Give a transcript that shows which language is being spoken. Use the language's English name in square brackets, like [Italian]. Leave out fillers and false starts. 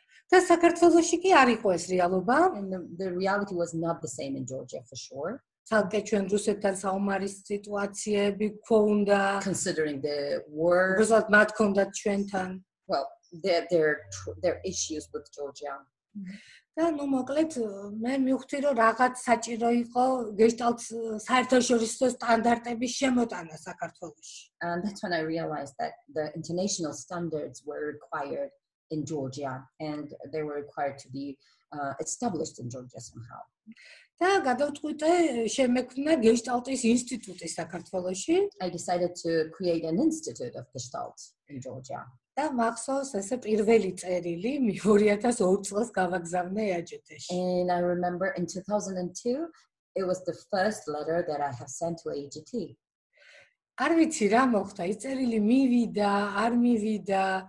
[Georgian] Та საქართველოსში კი არ იყო ეს რეალობა. [English] The reality was not the same in Georgia for sure. [Georgian] თალკე ჩვენ რუსეთთან საომარი სიტუაციები გქონდა. [English] Considering the war. [Georgian] Result მათ კონდა ჩვენთან. [English] Well, their issues with Georgia. [Georgian] Да, ну, მოკლედ, მე მივხვდი, რომ რაღაც საჭირო იყო Gestalt საერთაშორისო სტანდარტების შემოტანა საქართველოსში. [English] And that's when I realized that the international standards were required in Georgia, and they were required to be established in Georgia somehow. [Georgian] Да, გადავწყვიტე შემექმნა Gestalt-ის ინსტიტუტი საქართველოში. [English] I decided to create an institute of Gestalt in Georgia. [Georgian] Და მახსოვს ესე პირველი წერილი, მე 2002 წელს გავაგზავნე AJT-ში. [English] And I remember in 2002 it was the first letter that I have sent to AJT. [Georgian] არ ვიცი რა მოხდა, ეს წერილი მივიდა, არ მივიდა.